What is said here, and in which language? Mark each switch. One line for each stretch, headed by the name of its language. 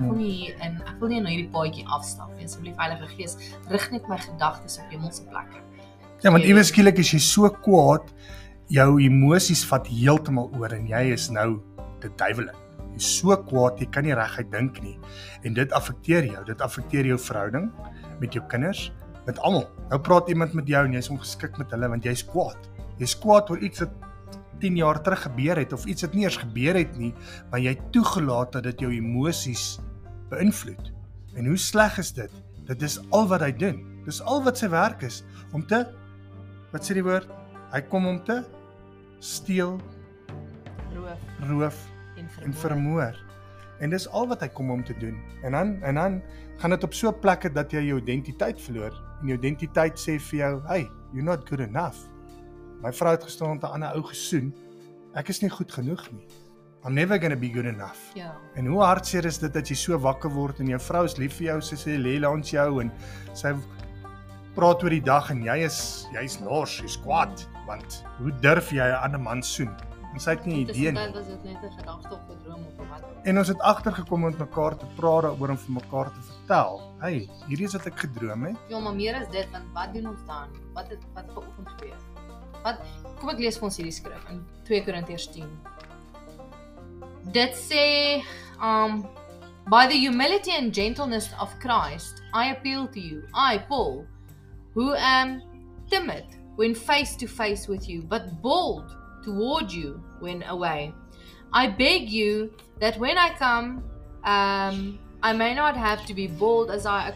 Afrikaans: Ek wil nie in hierdie paadjie afstap nie. Asseblief Heilige Gees, rig net my gedagtes op hemelse plekke." Ja, want iewers skielik is jy so kwaad, jou emosies vat heeltemal oor en jy is nou te duiwelik. Jy's so kwaad, jy kan nie reguit dink nie. En dit affekteer jou. Dit affekteer jou verhouding met jou kinders, met almal. Nou praat iemand met jou en jy's ongeskik met hulle want jy's kwaad. Jy's kwaad oor iets wat 10 jaar terug gebeur het of iets wat nie eers gebeur het nie, maar jy toegelaat dat dit jou emosies beïnvloed. En hoe sleg is dit? Dit is al wat hy doen. Dis al wat sy werk is om te Wat sê die woord? Hy kom om te steel, roof en vermoor. En dis al wat hy kom om te doen. En dan gaan dit op so 'n plek dat jy jou identiteit verloor. En jou identiteit sê vir jou,
English: hey, you're not good enough.
Afrikaans: My vrou het gestaan met 'n ander ou gesoen. Ek is nie goed genoeg nie.
English: I'm never gonna be good enough. Yeah.
Afrikaans: En hoe hartseer is dit dat jy so wakker word en jou vrou is lief vir jou, sy sê lê langs jou en sy praat oor die dag en jy is nors, jy's kwaad, want hoe durf jy 'n ander man soen? En sy het nie idee nie. Dit was net 'n gedagte of 'n droom of wat. En ons het agtergekom om mekaar te praat oor om vir mekaar te vertel. Hey, hierdie is wat ek gedroom het. Ja, maar meer as dit, want wat doen ons dan? Wat het vanoggend gebeur? Wat kom ek lees vir ons hierdie skrif in 2 Korintiërs 10. Dit sê
English: by the humility and gentleness of Christ, I appeal to you. I, Paul, who am timid when face to face with you, but bold toward you when away. I beg you that when I come, I may not have to be bold as I...